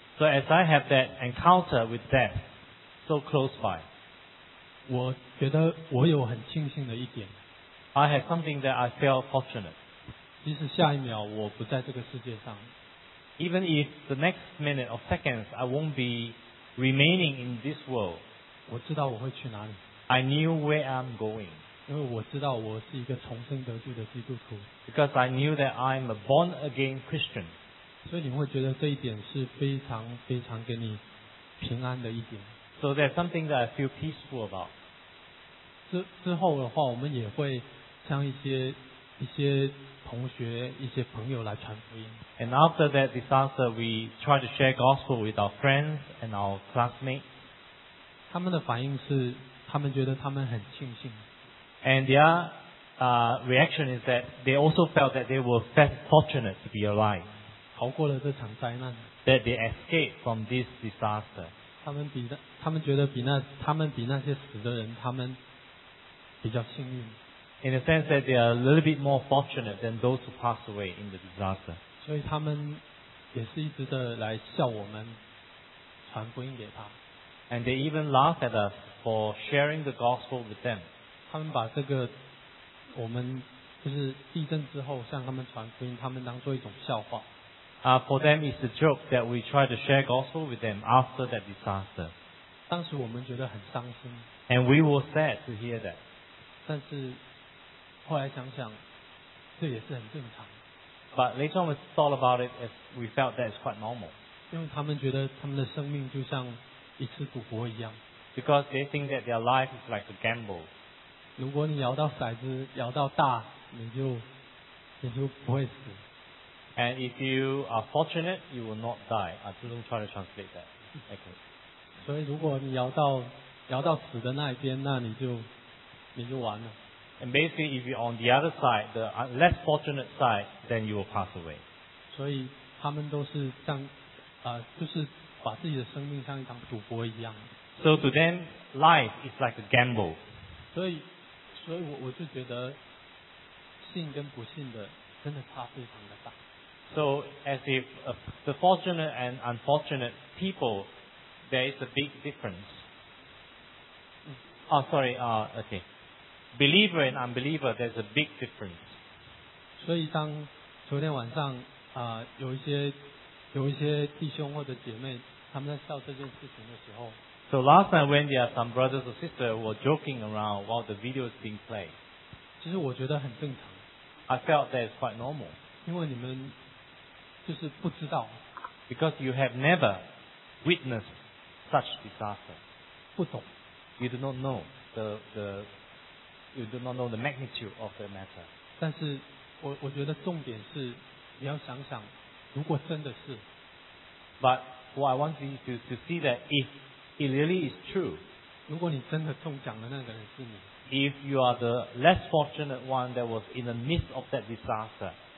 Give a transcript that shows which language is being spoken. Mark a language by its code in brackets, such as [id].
[en] so as I have that encounter with death so close by, [zh] 我觉得我有很庆幸的一点， [en] I have something that I feel fortunate, [zh] 即使下一秒我不在这个世界上， [en] even if the next minute or seconds I won't be remaining in this world, [zh] 我知道我会去哪里， [en] I knew where I'm going, [zh] 因为我知道我是一个重生得救的基督徒。 [en] Because I knew that I'm a born again Christian. [zh] 所以你会觉得这一点是非常非常给你平安的一点。 [en] So there's something that I feel peaceful about. [zh] 之后的话，我们也会向一些同学、一些朋友来传福音。 [en] And after that disaster, we try to share gospel with our friends and our classmates. [zh] 他们的反应是，他们觉得他们很庆幸。 [en] And their reaction is that they also felt that they were fortunate to be alive. [zh] 逃过了这场灾难。 [en] That they escaped from this disaster. [zh] 他们觉得比那些死的人他们比较幸运。 [en] In a sense that they are a little bit more fortunate than those who passed away in the disaster. [zh] 所以他们也是一直的来笑我们传福音给他。 [en] And they even laugh at us for sharing the gospel with them. [zh] 他们把这个我们就是地震之后向他们传福音，他们当做一种笑话。 [en] For them, it's a joke that we try to share gospel with them after that disaster. [zh] 当时我们觉得很伤心。 [en] And we were sad to hear that. [zh] 但是后来想想，这也是很正常。 [en] But later on, we thought about it as we felt that it's quite normal. [zh] 因为他们觉得他们的生命就像一次赌博一样。 [en] Because they think that their life is like a gamble. [zh] 如果你摇到骰子摇到大，你就不会死。 [en] And if you are fortunate, you will not die. I don't try to translate that. Okay. [zh] 所以如果你摇到死的那一边，那你就完了。 [en] And basically, if you're on the other side, the less fortunate side, then you will pass away. [zh] 所以他们都是像就是把自己的生命像一场赌博一样。 [en] So to them, life is like a gamble. [zh] 所以我就觉得信跟不信的真的差非常的大。 [en] So as if the fortunate and unfortunate people, there is a big difference. Okay. Believer and unbeliever, there's a big difference. [zh] 所以当昨天晚上有一些弟兄或者姐妹他们在笑这件事情的时候。 [en] So last night when there are some brothers or sisters who were joking around while the video is being played. [zh] 其实我觉得很正常。 [en] I felt that it's quite normal. [zh] 因为你们就是不知道。 [en] Because you have never witnessed such disaster. [zh] 不懂。 [en] You do not know the magnitude of the matter. [zh] 但是我觉得重点是你要想想如果真的是。 [en] But what I want you to see that if it really is true. [zh] 如果你真的中奖的那个人是你。 [en] If you are the less fortunate one that was in the midst of that disaster.